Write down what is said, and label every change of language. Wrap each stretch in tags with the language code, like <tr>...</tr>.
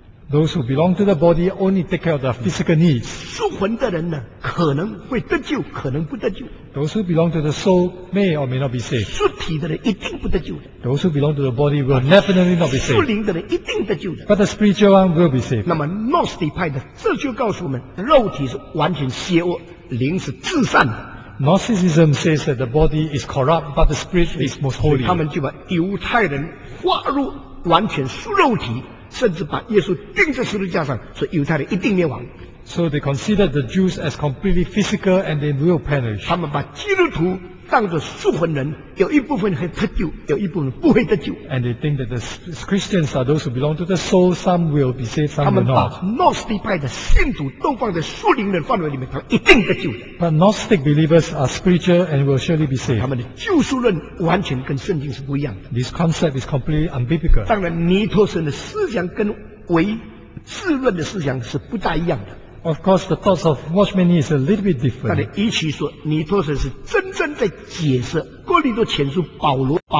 <en>Those who belong to the body only take care of their physical needs.</en> <zh>属魂的人呢，可能会得救，可能不得救。</zh> <en>Those who belong to the soul may or may not be saved.</en> <zh>属体的人一定不得救的。</zh> <en>Those who belong to the body will definitely not be saved.</en> <zh>属灵的人一定得救的。</zh> <en>But the spiritual one will be saved.</en> <zh>那么 Gnostic 派的这就告诉我们，肉体是完全邪恶，灵是至善的。</zh> <en>Gnosticism says that the body is corrupt, but the spirit is most holy.</en> <zh>他们就把犹太人划入完全属肉体。甚至把耶稣钉在十字架上，所以犹太人一定灭亡。</zh> <en>So they considered the Jews as completely physical and they will perish.</en> <zh>他们把基督徒当作属魂人，有一部分会得救，有一部分不会得救。</zh> <en>And they think that the Christians are those who belong to the soul, some will be saved, some will not.</en> <zh>他们把 Gnostic 派的信徒都放在属灵人范围里面，他们一定得救的。</zh> <en>But Gnostic believers are spiritual and will surely be saved.</en> <zh>他们的救赎论完全跟圣经是不一样的。</zh> <en>This concept is completely unbiblical.</en> <zh>当然，尼托生的思想跟唯智论的思想是不大一样的。</zh> <en>Of course, the thoughts of Watchman is a little bit different.</en> <zh>但是，与其说尼托生是真正在解释哥林多前书保罗</zh>